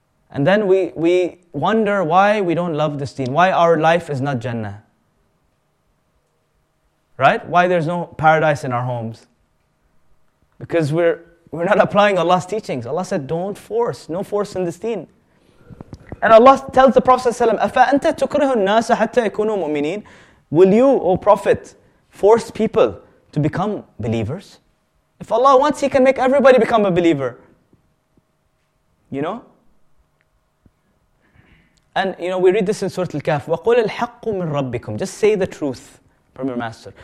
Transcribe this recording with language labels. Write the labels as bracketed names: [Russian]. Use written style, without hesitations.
[English] And then we wonder why we don't love this deen, why our life is not Jannah. Right? Why there's no paradise in our homes. Because we're not applying Allah's teachings. Allah said, don't force, no force in this deen. And Allah tells the Prophet ﷺ, [Arabic] أَفَأَنْتَ تُكْرِهُ النَّاسَ حَتَّى يَكُونُوا مُؤْمِنِينَ. [English] Will you, O Prophet, force people to become believers? If Allah wants, He can make everybody become a believer. You know? And, you know, we read this in Surah Al-Kahf, [Arabic] وَقُلِ الْحَقُّ مِنْ رَبِّكُمْ. [English] Just say the truth from your master.